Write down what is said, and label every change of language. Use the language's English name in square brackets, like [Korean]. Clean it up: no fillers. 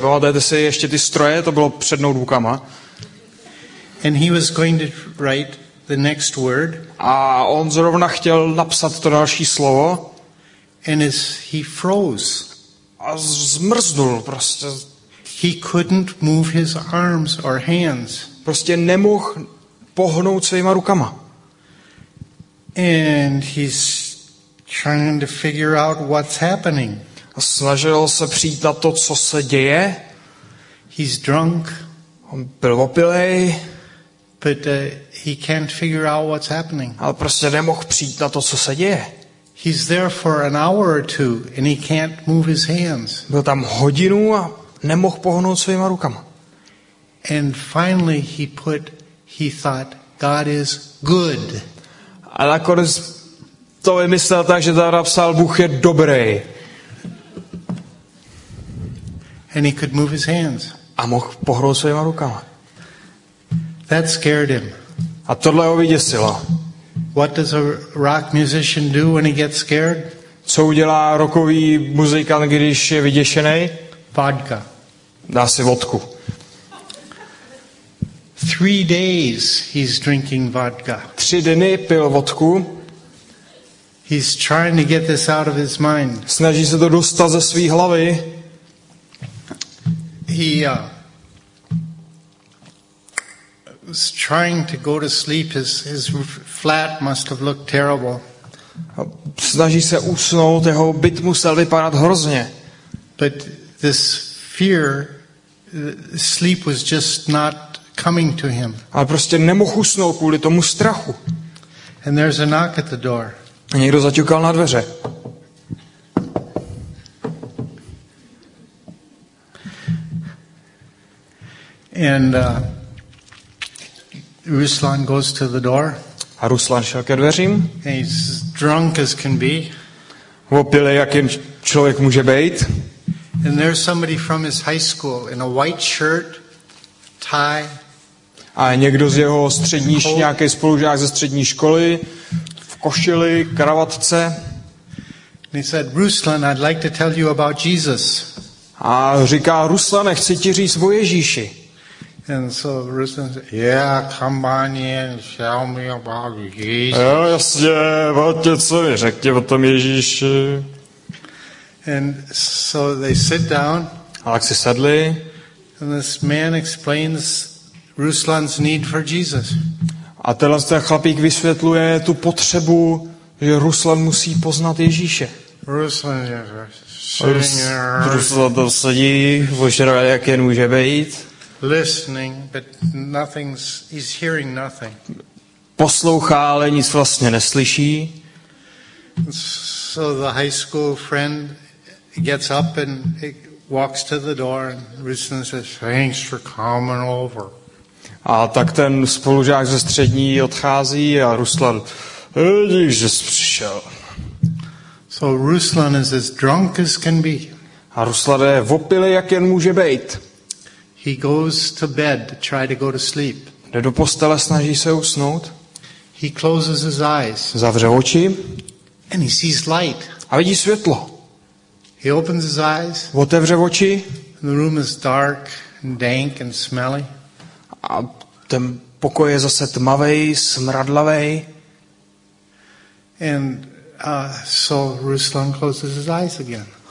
[Czech] Pamatujete si ještě ty stroje? To bylo před notebookama. [English] And he was going to write the next word. [Czech] A on zrovna chtěl napsat to další slovo. [English] And as he froze. [Czech] A zmrznul prostě. [English] He couldn't move his arms or hands. [Czech] Prostě nemohl pohnout svýma rukama. [English] And he's trying to figure out what's happening. [Czech] A snažil se přijít na to, co se děje. [English] He's drunk. [Czech] On byl opilej. [English] But he can't figure out what's happening. [Czech] Ale prostě nemohl přijít na to, co se děje. [English] He's there for an hour or two and he can't move his hands. [Czech] Byl tam hodinu a nemohl pohnout svýma rukama. [English] And finally he thought God is good. [Czech] A nakonec to vymyslel tak, že tam napsal Bůh je dobrý. [English] And he could move his hands. [Czech] A mohl pohnout svýma rukama. [English] That scared him. [Czech] A tohle ho vyděsilo. [English] What does a rock musician do when he gets scared? [Czech] Co udělá rockový muzikant, když je vyděšený? [English] Vodka. [Czech] Dá si vodku. [English] 3 days he's drinking vodka. [Czech] 3 dny pil vodku. [English] He's trying to get this out of his mind. [Czech] Snaží se to dostat ze své hlavy. [English] He was trying to go to sleep. His flat must have looked terrible. [Czech] Snaží se usnout, jeho byt musel vypadat hrozně. [English] But this fear, sleep was just not coming to him. [Czech] Ale prostě nemohl usnout kvůli tomu strachu. [English] And there's a knock at the door. [Czech] Někdo zaťukal na dveře. [English] And Ruslan goes to the door. [Czech] A Ruslan šel ke dveřím. [English] He's drunk as can be. [Czech] Opilý, jak jen člověk může být. [English] And there's somebody from his high school in a white shirt, tie. [Czech] A někdo z jeho střední, nějaký spolužák ze střední školy v košili, kravatce. [English] And he said, Ruslan, I'd like to tell you about Jesus. [Czech] A říká, Ruslane, chci ti říct o Ježíši. [English] And so Ruslan said, yeah, come on in, tell me about Jesus. [Czech] Jo, jasně, vlastně, co mi řekni o tom Ježíši. [English] And so they sit down. [Czech] A tak si sedli. [English] And this man explains Ruslan's need for Jesus. [Czech] A tenhle ten chlapík vysvětluje tu potřebu, že Ruslan musí poznat Ježíše. Ruslan je senior. Ruslan to sedí, požral, jak jen může být. [English] Listening, but nothing's, he's hearing nothing. [Czech] Poslouchá, ale nic vlastně neslyší. [English] So the high school friend gets up and walks to the door and Ruslan says, thanks for coming over. [Czech] A tak ten spolužák ze střední odchází a Ruslan, díky, že jsi přišel. [English] So Ruslan is as drunk as can be. [Czech] A Ruslan je opilý, jak jen může být. [English] He goes to bed to try to go to sleep. [Czech] Jde do postele, snaží se usnout. [English] He closes his eyes. [Czech] Zavře oči. [English] And he sees light. [Czech] A vidí světlo. [English] He opens his eyes. [Czech] Otevře oči. [English] And the room is dark and dank and smelly. [Czech] A ten pokoj je zase tmavý, smradlavý. [English] And so Ruslan closes his eyes again.